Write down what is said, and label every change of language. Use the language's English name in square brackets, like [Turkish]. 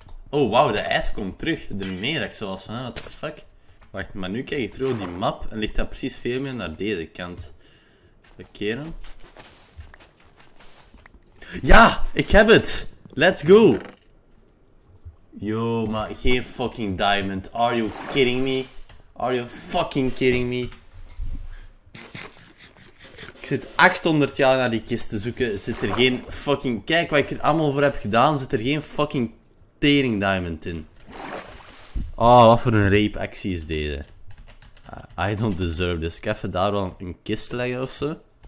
[Dutch] Oh, wauw, de ijs komt terug. De meer, zoals van, [English] what the fuck. [Dutch] Wacht, maar nu kijk ik terug op die map en ligt dat precies veel meer naar deze kant. We keren. Ja, ik heb het. [English] Let's go. [Dutch] Yo, maar geen fucking diamond. [English] Are you kidding me? Are you fucking kidding me? [Dutch] Ik zit 800 jaar naar die kist te zoeken. Zit er geen fucking. Kijk wat ik er allemaal voor heb gedaan. Zit er geen fucking tering diamond in. Oh, wat voor een rape actie is deze. [English] I don't deserve this. [Dutch] Ik ga even daar wel een kist leggen of zo.